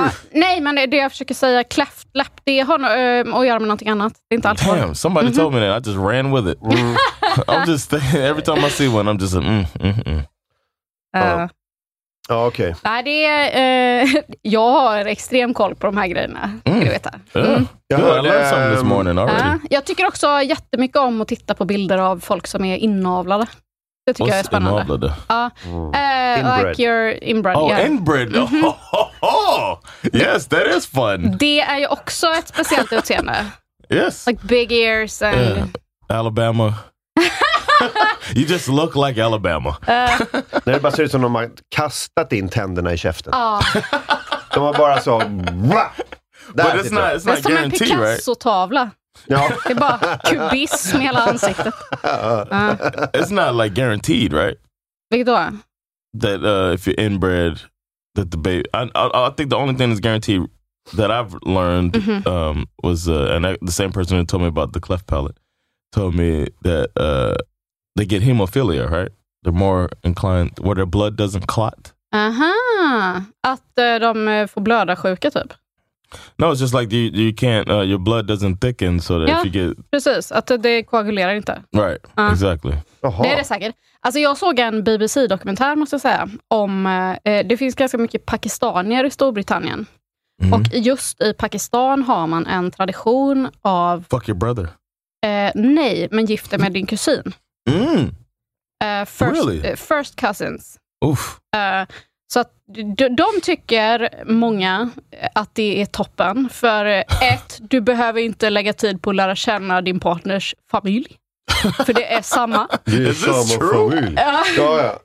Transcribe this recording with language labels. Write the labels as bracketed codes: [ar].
[sv] nej, men det jag försöker säga, kläftläpp, det har att göra med någonting annat. Det är inte alltid. [en] Damn, somebody told me that. I just ran with it. I'm just... Every time I see one, I'm just like... [sv] Ja, okej. Nej, det är... jag har extrem koll på de här grejerna. Du vet det. Jag tycker också jättemycket om att titta på bilder av folk som är inavlade. Det tycker jag är spännande. Inavlade? [en] Inbred. Like your inbred. Oh, yeah. Inbred. Mm-hmm. Yes, that is fun. [sv] Det är ju också ett speciellt utseende. [en] Yes. Like big ears and... Alabama. You just look like Alabama. [sv] Det bara ser ut som om de har kastat in tänderna i käften. Ja. De har bara så... [en] That but it's not guarantee, right? [sv] Det är som en Picasso-tavla. Ja. Det är bara kubism i hela ansiktet. [en] It's not like guaranteed, right? [sv] Vilket då? [en] That if you're inbred, that the baby... I think the only thing that's guaranteed that I've learned was... the same person who told me about the cleft palate told me that they get hemophilia, right? They're more inclined... Where their blood doesn't clot. Aha! [sv] Att de får blöda sjuka, typ. [en] No, it's just like you can't your blood doesn't thicken so that [sv] ja, [en] if you get... [sv] Precis, att det koagulerar inte. [en] Right, exactly. [sv] Aha. Det är det säkert. Alltså jag såg en BBC-dokumentär, måste jag säga, om det finns ganska mycket pakistanier i Storbritannien. Mm-hmm. Och just i Pakistan har man en tradition av... [en] Fuck your brother. [sv] Nej, men gifta med din kusin. Mm. [en] First, really? First cousins. Uff. [sv] Så att de tycker många att det är toppen. För ett, du behöver inte lägga tid på att lära känna din partners familj. För det är samma. Det är samma familj. Ja, ja.